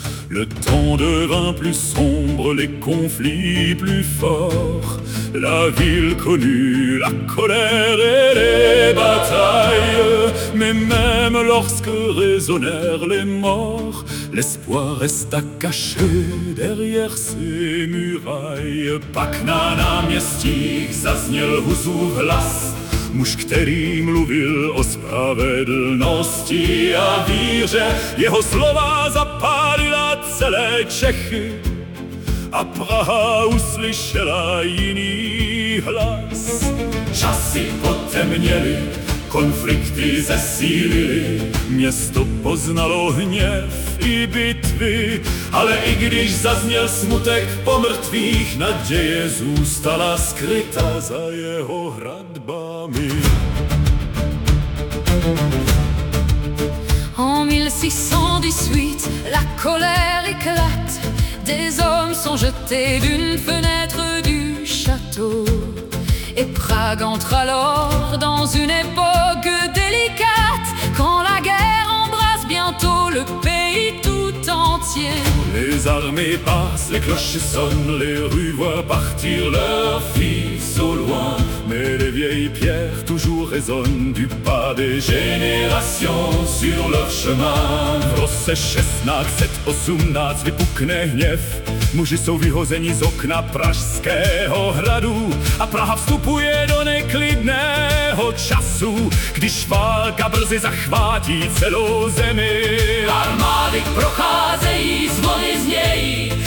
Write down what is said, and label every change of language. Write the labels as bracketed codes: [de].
[fr] Le temps devint plus sombre, les conflits plus forts. La ville connut la colère et les batailles. Mais même lorsque résonnèrent les morts, l'espoir resta caché derrière ses murailles. [cs] Pak na náměstích zazněl Husův hlas, muž, který mluvil o spravedlnosti a víře. Jeho slova zapálila celé Čechy a Praha uslyšela jiný hlas. Časy potemněly, konflikty zesílily, město poznalo hněv i bitvy, ale i když zazněl smutek po mrtvých, naděje zůstala skryta za jeho hradbami. [fr] En 1618, la colère éclate, des hommes sont jetés d'une fenêtre du château. Et Prague entre alors dans une époque délicate, quand la guerre embrasse bientôt le pays tout entier. Les armées passent, les cloches sonnent, les rues voient partir leurs fils au loin. Mais les vieilles pierres toujours résonnent du pas des générations sur leur chemin. [cs] V roce 1618 vypukne hněv, muži jsou vyhozeni z okna Pražského hradu a Praha vstupuje do neklidného času, když válka brzy zachvátí celou zemi. Armády procházejí, zvony znějí,